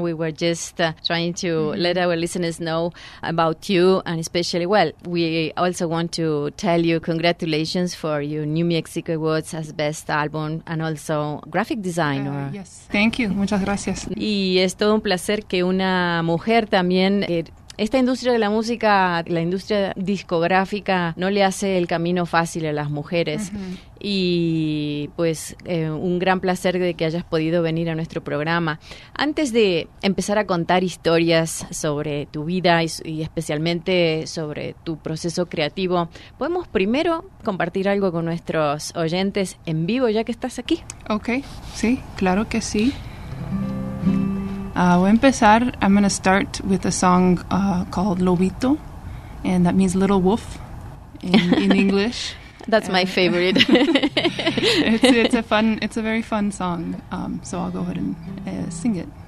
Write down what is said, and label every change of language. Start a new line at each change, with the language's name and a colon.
English: We were just trying to let our listeners know about you, and especially, well, we also want to tell you congratulations for your New Mexico Awards as Best Album and also Graphic Designer. Yes, thank you.
Spanish: Muchas gracias. Y es todo un placer que una mujer también... Esta industria de la música, la industria discográfica, no le hace el camino fácil a las mujeres. Uh-huh. Y pues un gran placer de que hayas podido venir a nuestro programa. Antes de empezar a contar historias sobre tu vida y especialmente sobre tu proceso creativo, ¿podemos primero compartir algo con nuestros oyentes en vivo ya que estás aquí? Okay, sí, claro que sí. Voy a empezar.
English: I'm going to start with a song called Lobito, and that means little wolf in English. That's my favorite. It's a very fun song, so I'll go ahead and sing it.